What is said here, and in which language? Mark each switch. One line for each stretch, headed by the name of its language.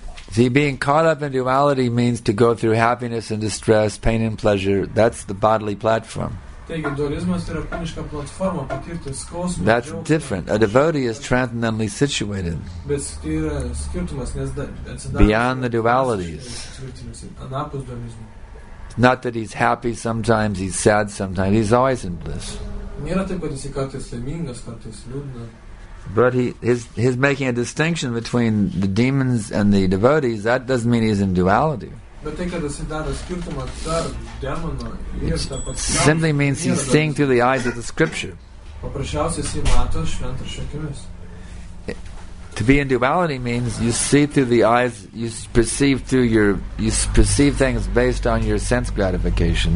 English: See, being caught up in duality means to go through happiness and distress, pain and pleasure. That's the bodily platform.
Lithuanian: Taigi, dualizmas yra kūniška platforma patirti skausmą.
English: That's different. A devotee is transcendentally situated.
Lithuanian: Bet tai yra skirtumas, nes
English: beyond the dualities.
Lithuanian: Anapus dualizmų.
English: Not that he's happy sometimes, he's sad sometimes, he's always in bliss.
Lithuanian: Nėra taip, kad jis kartais laimingas, kartais liūdnas.
English: But he's making a distinction between the demons and the devotees. That doesn't mean he's in duality. It simply means he's seeing through the eyes of the scripture. To be in duality means you see through the eyes, you perceive things based on your sense gratification.